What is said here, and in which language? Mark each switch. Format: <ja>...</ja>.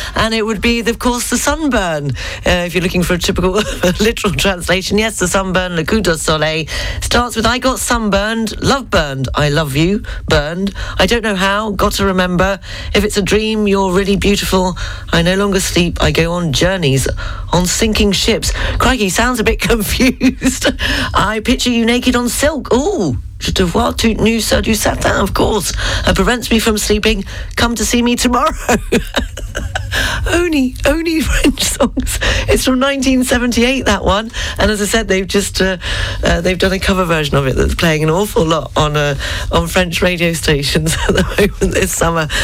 <en>And it would be, of course, the sunburn. If you're looking for a typical literal translation, yes, the sunburn, Le Coup de Soleil, starts with I got sunburned, love burned, I love you, burned. I don't know how, got to remember. If it's a dream, you're really beautiful. I no longer sleep, I go on journeys, on sinking ships. Crikey, sounds a bit confused. I picture you naked on silk.</en> <fr>Ooh, je te vois toute nue sur du satin,</fr> <en>of course. It prevents me from sleeping. Come to see me tomorrow. Only French songs. It's from 1978, that one. And as I said, they've just they've done a cover version of it that's playing an awful lot on French radio stations at the moment this summer.</en>